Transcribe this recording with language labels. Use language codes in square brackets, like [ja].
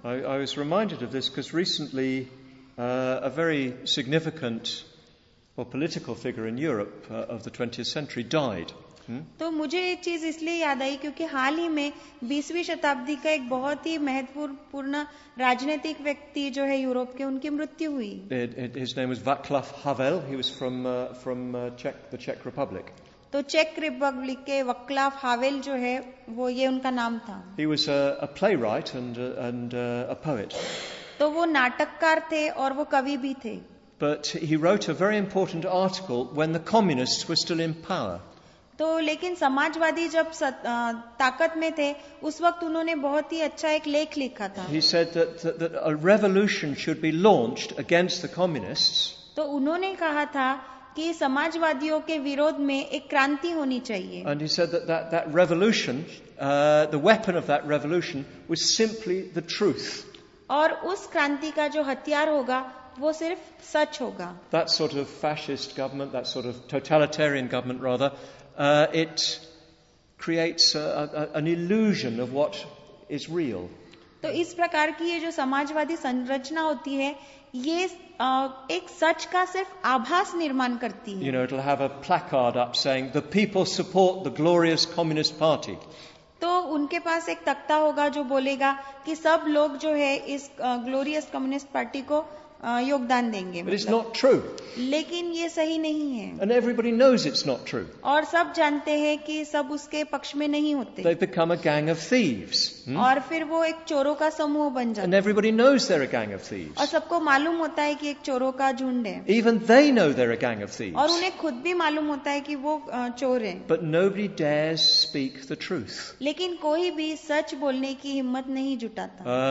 [en] I was reminded of this because recently a very significant political figure in Europe of the 20th century died. [hi] तो मुझे ये चीज इसलिए याद आई क्योंकि हाल ही में 20वीं शताब्दी का एक बहुत ही महत्वपूर्ण राजनीतिक व्यक्ति जो है यूरोप के, उनकी मृत्यु हुई. [en] His name was Václav Havel. He was from the Czech Republic. [hi] तो चेक रिपब्लिक के वक्लाव हावेल जो है वो, ये उनका नाम था. [en] He was a playwright and a poet. [hi] तो वो नाटककार थे और वो कवि भी थे. [en] But he wrote a very important article when the communists were still in power. [hi] तो लेकिन समाजवादी जब ताकत में थे उस वक्त उन्होंने बहुत ही अच्छा एक लेख लिखा था. [en] He said that a revolution should be launched against the communists. [hi] तो उन्होंने कहा था कि समाजवादियों के विरोध में एक क्रांति होनी चाहिए. [en] And he said that revolution, the weapon of that revolution was simply the truth. [hi] और उस क्रांति का जो हथियार होगा वो सिर्फ सच होगा. [en] That sort of fascist government, that sort of totalitarian government rather, it creates an illusion of what is real. [hi] तो इस प्रकार की ये जो समाजवादी संरचना होती है, ये एक सच का सिर्फ आभास निर्माण करती है. [en] You know, it'll have a placard up saying, "The people support the glorious Communist Party." [hi] तो उनके पास एक तख्ता होगा जो बोलेगा कि सब लोग जो है इस ग्लोरियस कम्युनिस्ट पार्टी को योगदान देंगे. [en] But it's not true. [hi] लेकिन ये सही नहीं है. [en] And everybody knows it's not true. [hi] और सब जानते हैं कि सब उसके पक्ष में नहीं होते. [en] They've become a gang of thieves. [hi] और फिर वो एक चोरों का समूह बन जाते. [en] And everybody knows they're a gang of thieves. [hi] और सबको मालूम होता है कि एक चोरों का झुंड है. [en] Even they know they're a gang of thieves. [hi] और उन्हें खुद भी मालूम होता है कि वो चोर हैं. [en] But nobody dares speak the truth. [hi] लेकिन कोई भी सच बोलने की हिम्मत नहीं जुटाता.